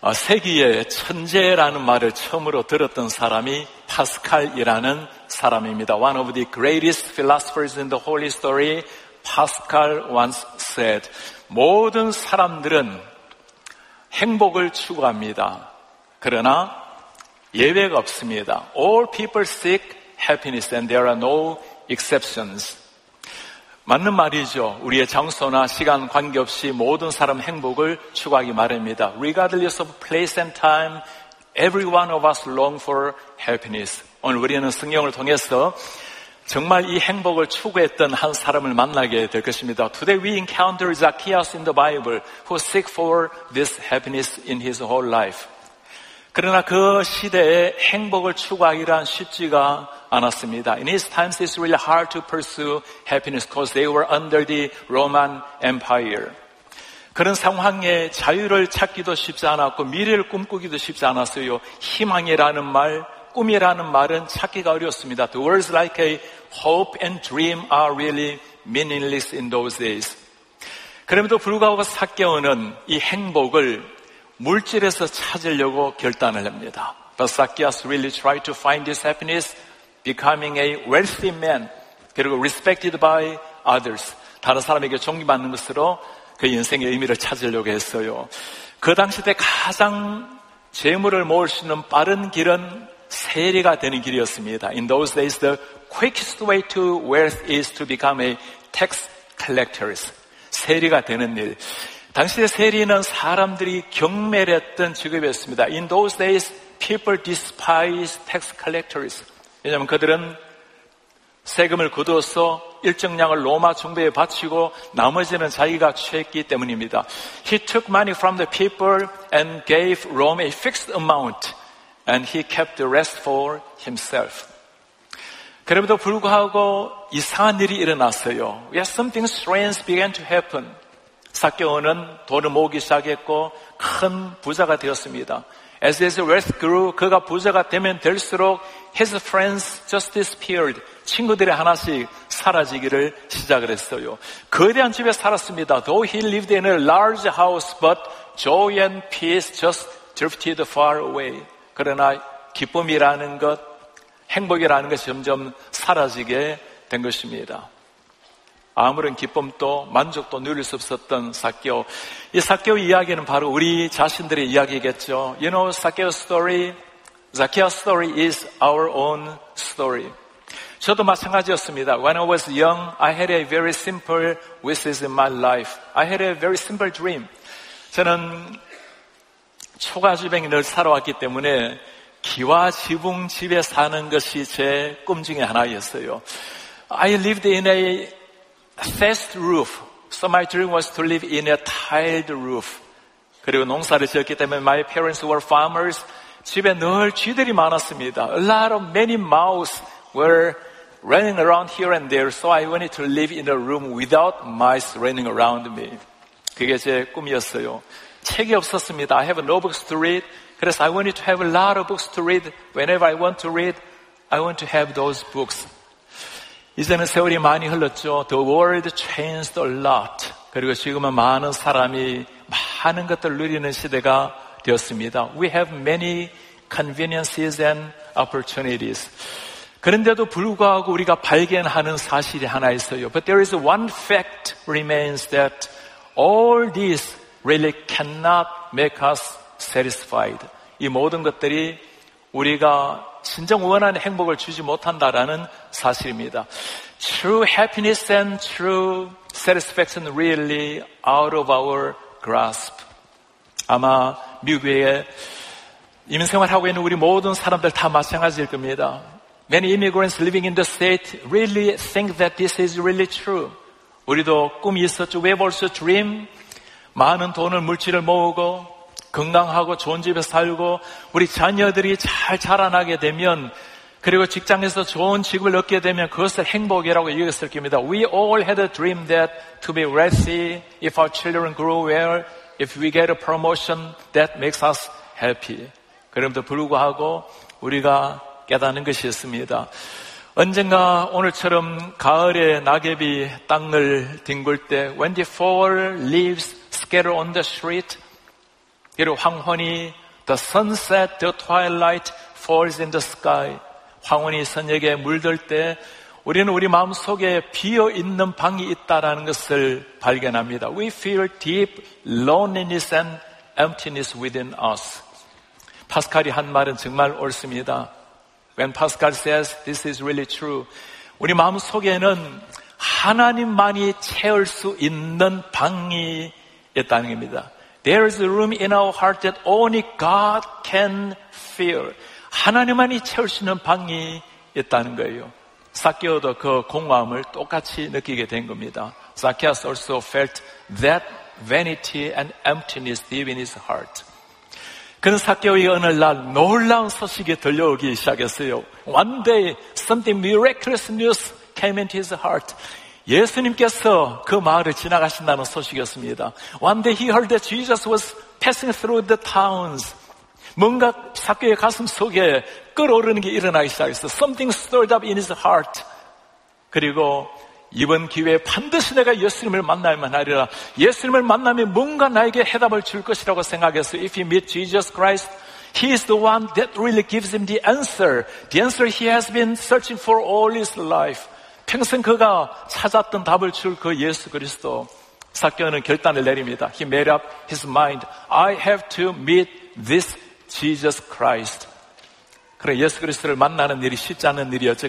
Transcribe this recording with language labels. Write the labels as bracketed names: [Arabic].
[Korean] 세기의 천재라는 말을 처음으로 들었던 사람이 파스칼이라는 사람입니다. [English] One of the greatest philosophers in the Holy Story, Pascal once said, [Korean] 모든 사람들은 행복을 추구합니다. 그러나 예외가 없습니다. [English] All people seek happiness and there are no exceptions. [Korean] 맞는 말이죠. 우리의 장소나 시간 관계없이 모든 사람 행복을 추구하기 마련입니다. [English] Regardless of place and time, every one of us long for happiness. [Korean] 오늘 우리는 성경을 통해서 정말 이 행복을 추구했던 한 사람을 만나게 될 것입니다. [English] Today we encounter Zacchaeus in the Bible who seek for this happiness in his whole life. [Korean] 그러나 그 시대에 행복을 추구하기란 쉽지가 않았습니다. [English] In his times it's really hard to pursue happiness because they were under the Roman Empire. [Korean] 그런 상황에 자유를 찾기도 쉽지 않았고 미래를 꿈꾸기도 쉽지 않았어요. 희망이라는 말, 꿈이라는 말은 찾기가 어려웠습니다. [English] The words like a hope and dream are really meaningless in those days. [Korean] 그럼에도 불구하고 삭개오는 이 행복을 물질에서 찾으려고 결단을 합니다. [English] But Zacchaeus really tried to find this happiness becoming a wealthy man, [Korean] 그리고 [English] respected by others. [Korean] 다른 사람에게 존경받는 것으로 그 인생의 의미를 찾으려고 했어요. 그 당시 때 가장 재물을 모을 수 있는 빠른 길은 세리가 되는 길이었습니다. [English] In those days, the quickest way to wealth is to become a tax collector. [Korean] 세리가 되는 일. 당시의 세리는 사람들이 경멸 했던 직업이었습니다. [English] In those days, people despised tax collectors. [Korean] 왜냐하면 그들은 세금을 거둬서 일정량을 로마 정부에 바치고 나머지는 자기가 취했기 때문입니다. [English] He took money from the people and gave Rome a fixed amount and he kept the rest for himself. [Korean] 그럼에도 불구하고 이상한 일이 일어났어요. [English] Yes, something strange began to happen. [Korean] 삭개오는 돈을 모으기 시작했고 큰 부자가 되었습니다. [English] As his wealth grew, [Korean] 그가 부자가 되면 될수록 [English] his friends just disappeared. [Korean] 친구들이 하나씩 사라지기를 시작을 했어요. 거대한 집에 살았습니다. Though he lived in a large house, but joy and peace just drifted far away. 그러나 기쁨이라는 것, 행복이라는 것이 점점 사라지게 된 것입니다. 아무런 기쁨도 만족도 누릴 수 없었던 삭개오. 이 삭개오 이야기는 바로 우리 자신들의 이야기겠죠. [English] You know, Zacchaeus' story is our own story. [Korean] 저도 마찬가지였습니다. [English] When I was young, I had a very simple wishes in my life. I had a very simple dream. [Korean] 저는 초가집에 늘 살아왔기 때문에 기와 지붕 집에 사는 것이 제 꿈 중에 하나였어요. [English] I lived in a thatched roof. So my dream was to live in a tiled roof. [Korean] 그리고 농사를 지었기 때문에 [English] my parents were farmers. [Korean] 집에 늘 쥐들이 많았습니다. [English] A lot of many mouse were running around here and there. So I wanted to live in a room without mice running around me. [Korean] 그게 제 꿈이었어요. 책이 없었습니다. [English] I have no books to read. [Korean] 그래서 [English] I wanted to have a lot of books to read. Whenever I want to read, I want to have those books. [Korean] 이제는 세월이 많이 흘렀죠. [English] The world changed a lot. [Korean] 그리고 지금은 많은 사람이 많은 것들을 누리는 시대가 되었습니다. [English] We have many conveniences and opportunities. [Korean] 그런데도 불구하고 우리가 발견하는 사실이 하나 있어요. [English] But there is one fact remains that all this really cannot make us satisfied. [Korean] 이 모든 것들이 우리가 진정 원하는 행복을 주지 못한다라는 사실입니다. [English] True happiness and true satisfaction really out of our grasp. [Korean] 아마 미국에 이민 생활하고 있는 우리 모든 사람들 다 마찬가지일 겁니다. [English] Many immigrants living in the state really think that this is really true. [Korean] 우리도 꿈이 있었죠. [English] We have also dream. [Korean] 많은 돈을 물질을 모으고 건강하고 좋은 집에 살고 우리 자녀들이 잘 자라나게 되면 그리고 직장에서 좋은 직업을 얻게 되면 그것을 행복이라고 얘기했을 겁니다. [English] We all had a dream that to be wealthy, if our children grow well, if we get a promotion, that makes us happy. [Korean] 그럼에도 불구하고 우리가 깨닫는 것이 있습니다. 언젠가 오늘처럼 가을에 낙엽이 땅을 뒹굴 때 [English] when the fall leaves scatter on the street, [Korean] 비록 황혼이 [English] the sunset, the twilight falls in the sky. [Korean] 황혼이 선녁에 물들 때 우리는 우리 마음속에 비어있는 방이 있다라는 것을 발견합니다. [English] We feel deep loneliness and emptiness within us. [Korean] 파스칼이 한 말은 정말 옳습니다. [English] When Pascal says this is really true, [Korean] 우리 마음속에는 하나님만이 채울 수 있는 방이 있다는 겁니다. [English] There is a room in our heart that only God can fill. [Korean] 하나님만이 채울 수 있는 방이 있다는 거예요. 사케오도 그 공허함을 똑같이 느끼게 된 겁니다. [English] Zacchaeus also felt that vanity and emptiness deep in his heart. [Korean] 그는 사케오의 어느 날 놀라운 소식이 들려오기 시작했어요. [English] One day something miraculous news came into his heart. [Korean] 예수님께서 그 마을을 지나가신다는 소식이었습니다. [English] One day he heard that Jesus was passing through the towns. [Korean] 뭔가 사케오의 가슴 속에 끓어오르는 게 일어나기 시작했어요. [English] Something stirred up in his heart. [Korean] 그리고 이번 기회에 반드시 내가 예수님을 만날만 하리라. 예수님을 만나면 뭔가 나에게 해답을 줄 것이라고 생각했어요. [English] If he meets Jesus Christ, he is the one that really gives him the answer. The answer he has been searching for all his life. [Korean] 평생 그가 찾았던 답을 줄 그 예수 그리스도. 사케오는 결단을 내립니다. [English] He made up his mind. I have to meet this Jesus Christ. [Korean] 그래, 예수 그리스도를 만나는 일이 쉽지 않은 일이었죠.